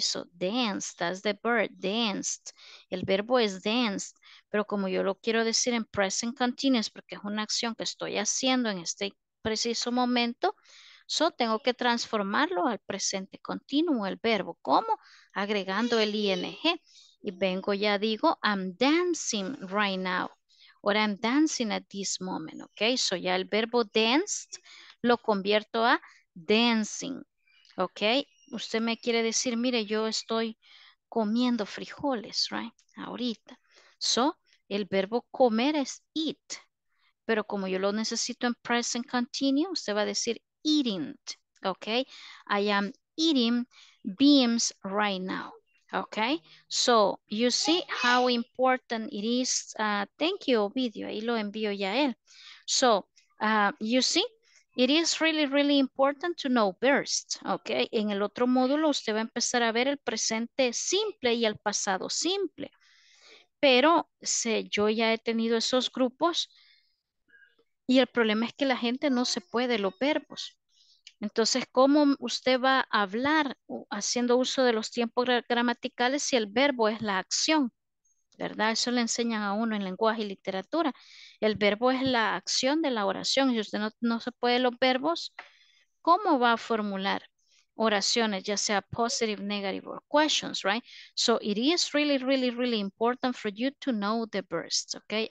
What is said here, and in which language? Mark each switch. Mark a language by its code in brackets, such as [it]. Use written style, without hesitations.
[en] So danced, that's the verb, danced. [es] El verbo es danced. Pero como yo lo quiero decir en present continuous, porque es una acción que estoy haciendo en este preciso momento, so tengo que transformarlo al presente continuo, el verbo. ¿Cómo? Agregando el ing. Y vengo, ya digo, [en] I'm dancing right now. Or I'm dancing at this moment. [es] Ok, so ya el verbo danced lo convierto a dancing. Ok, usted me quiere decir, mire, yo estoy comiendo frijoles, right, ahorita. So, el verbo comer es eat, pero como yo lo necesito en present continuous, usted va a decir eating, ok? [en] I am eating beans right now, ok? So, you see how important it is. Thank you, [es] Ovidio, ahí lo envío ya a él. [en] So, you see, it is really, really important to know burst, ok? [es] En el otro módulo usted va a empezar a ver el presente simple y el pasado simple. Pero sé, yo ya he tenido esos grupos y el problema es que la gente no se puede los verbos. Entonces, ¿cómo usted va a hablar haciendo uso de los tiempos gramaticales si el verbo es la acción? ¿Verdad? Eso le enseñan a uno en lenguaje y literatura. El verbo es la acción de la oración. Si usted no se puede los verbos, ¿cómo va a formular oraciones, ya sea [en] positive, negative, or questions, right? So it is really, really, really important for you to know the verbs, okay?